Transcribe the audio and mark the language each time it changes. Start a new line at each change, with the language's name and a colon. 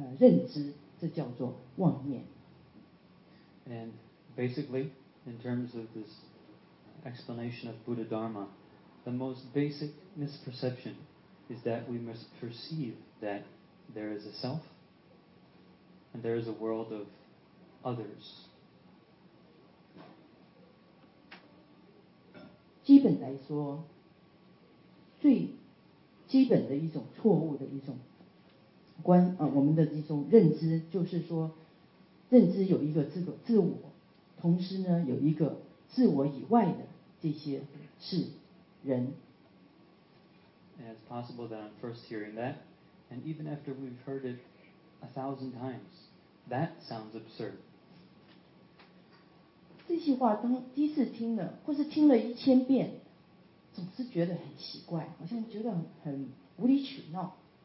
Chinese: 不但是当成是真实，而且是当成是我们自己或者是我们身外之物，而认为这些东西是一直都存在不变的。这种这是在佛法解释是说，是对于这个一些错误的一些观念还有看法还有认知，这叫做妄念。
English: And basically, in terms of this explanation of Buddha Dharma, the most basic misperception is that we misperceive that there is a self and there is a world of others.
Chinese: 基本来说，最基本的一种错误的一种观啊，我们的一种认知，就是说认知有一个自我，同时呢有一个自我以外的这些是人。
English: It's possible that I'm first hearing that, and even after we've heard it 1,000 times, that sounds absurd.
Chinese: 这些话当第一次听了，或是听了1000遍，总是觉得很奇怪，好像觉得很无理取闹。